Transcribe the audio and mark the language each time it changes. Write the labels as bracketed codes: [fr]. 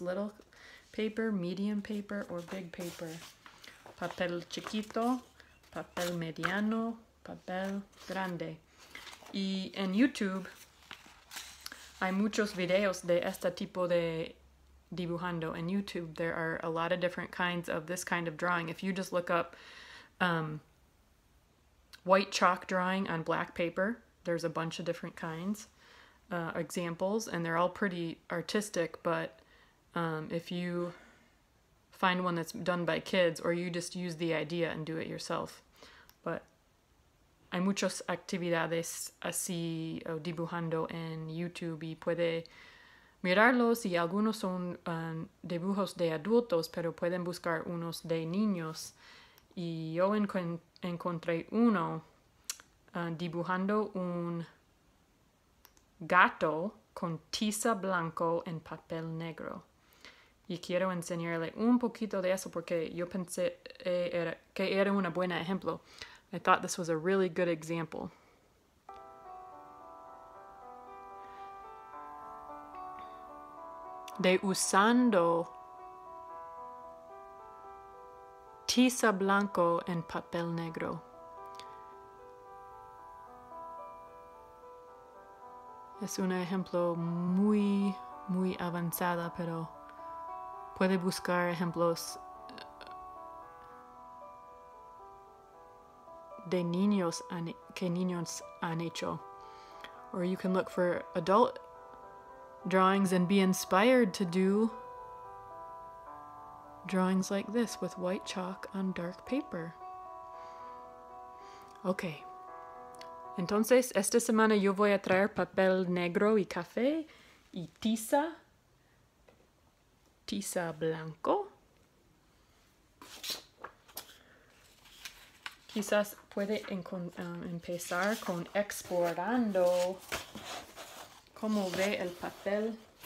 [en] Little paper, medium paper, or big paper. [es] Papel chiquito, papel mediano, papel grande. Y en YouTube hay muchos videos de este tipo de dibujando. [en] In YouTube, there are a lot of different kinds of this kind of drawing. If you just look up white chalk drawing on black paper, there's a bunch of different kinds. Examples, and they're all pretty artistic, but if you find one that's done by kids, or you just use the idea and do it yourself. [es] But hay muchas actividades así o dibujando en YouTube, y puede mirarlos, y algunos son dibujos de adultos, pero pueden buscar unos de niños. Y yo encontré uno dibujando un gato con tiza blanco en papel negro. Y quiero enseñarle un poquito de eso porque yo pensé que era una buena ejemplo. [en] I thought this was a really good example. [es] De usando tiza blanco en papel negro. Es un ejemplo muy, muy avanzada, pero puede buscar ejemplos de niños que niños han hecho. [en] Or you can look for adult drawings and be inspired to do drawings like this with white chalk on dark paper. Okay. [es] Entonces, esta semana yo voy a traer papel negro y café y tiza blanco. Quizás puede empezar con explorando cómo ve el papel.